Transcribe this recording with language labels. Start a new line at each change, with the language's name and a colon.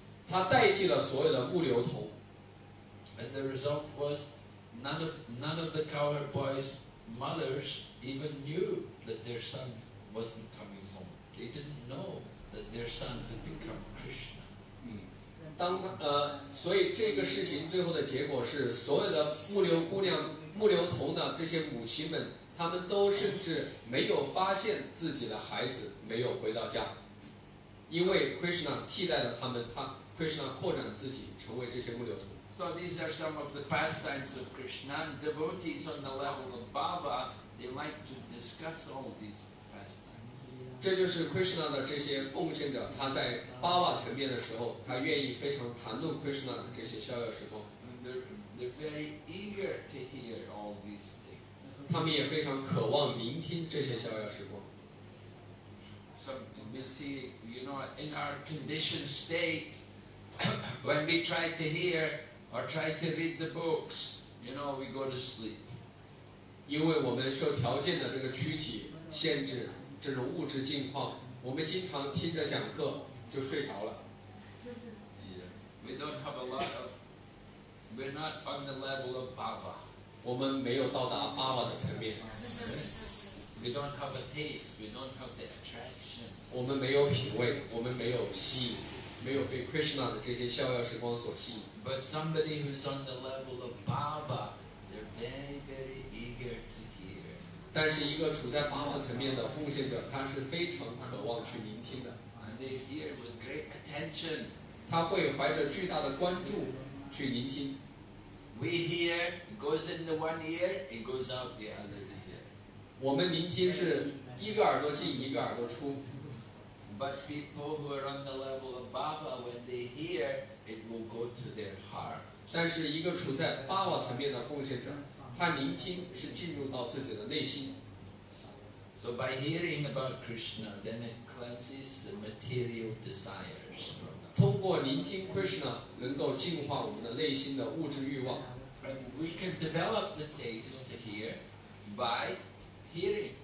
Chinese: 他代替了所有的牧牛童
English: And the result was none of the cowherd boys' mothers even knew that their son wasn't coming home. They didn't know. that their son had become Krishna.
Chinese: 当他所以这个事情最后的结果是，所有的牧牛姑娘、牧牛童的这些母亲们，他们都甚至没有发现自己的孩子没有回到家，因为 Krishna 替代了他们，他 Krishna 扩展自己成为这些牧牛童。
English: So these are some of the pastimes of Krishna. Devotees on the level of Baba, they like to discuss all these pastimes.
Chinese: 这就是 Krishna 的这些奉献者，他在 Baba 层面的时候，他愿意非常谈论 Krishna 的这些逍遥时光。
English: They're very eager to hear all these things.
Chinese: 他们也非常渴望聆听这些逍遥时光。
English: So we see, you know, in our conditioned state, when we try to hear. Or try to read the books, you know, we go to sleep.
Chinese: 因为我们受条件的这个躯体限制，这种物质境况，我们经常听着讲课就睡着了。
English: Yeah. We don't have a lot of. We're not on the level of Baba.
Chinese: 我们没有到达 Baba 的层面。
English: We don't have a taste. We don't have the attraction.
Chinese: 我们没有品味，我们没有吸引。没有被 Krishna 的这些逍遥时光所吸引。
English: But somebody who's on the level of Baba, they're very, very eager to hear.
Chinese: 但是一个处在 Baba 层面的奉献者，他是非常渴望去聆听的。
English: And they hear with great attention.
Chinese: 他会怀着巨大的关注去聆听。
English: We hear, it goes in the one ear, it goes out the other ear.
Chinese: 我们聆听是一个耳朵进，一个耳朵出。
English: But people who are on the level of Baba, when they hear, it will go to their heart.
Chinese: 但是一个处在 Baba 层面的奉献者，他聆听是进入到自己的内心。
English: So by hearing about Krishna, then it cleanses the material desires.
Chinese: 通过聆听 Krishna, 能够净化我们的内心的物质欲望。
English: And we can develop the taste to hear by hearing.